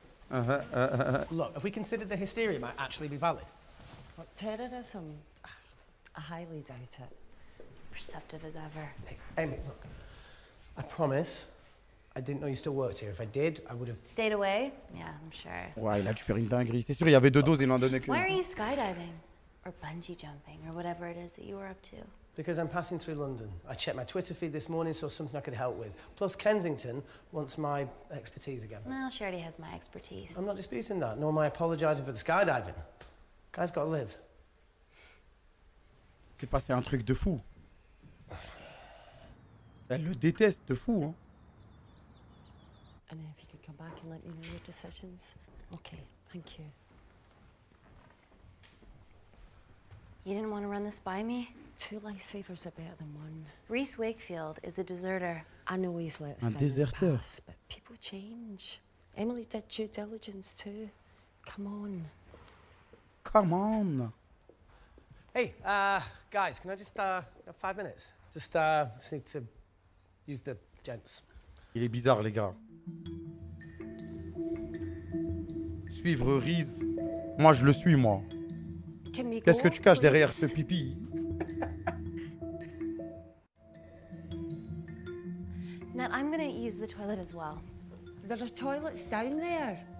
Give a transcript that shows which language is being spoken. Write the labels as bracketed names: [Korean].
[English] Look, if we consider the hysteria might actually be valid. What, terrorism? I highly doubt it. Perceptive as ever. Hey, Amy, look. I promise, I didn't know you still worked here. If I did, I would have... Stayed away? Yeah, I'm sure. [French] Ouais, il a dû faire une dinguerie. C'est sûr, il y avait deux doses, il m'en donnait que... [English] Why are you skydiving? Or bungee jumping, or whatever it is that you were up to? Because I'm passing through London. I checked my Twitter feed this morning, saw something I could help with. Plus, Kensington wants my expertise again. Well, she already has my expertise. I'm not disputing that, nor am I apologizing for the skydiving. Guy's got to live. [French] C'est passé un truc de fou. Elle le déteste de fou, hein. [English] And if you could come back and let me know your decisions. Okay, thank you. You didn't want to run this by me? Two lifesavers are better than one. Rhys Wakefield is a deserter. I know he's let us down in the past, but people change. Emily did due diligence too. Come on. Come on. Hey, guys, can I just, 5 minutes? Just, need to use the gents. [French] Il est bizarre, les gars. Suivre Rhys. Moi, je le suis, moi. Qu'est-ce que tu caches derrière ce pipi? [English] Ned, I'm gonna use the toilet as well. There are toilets down there.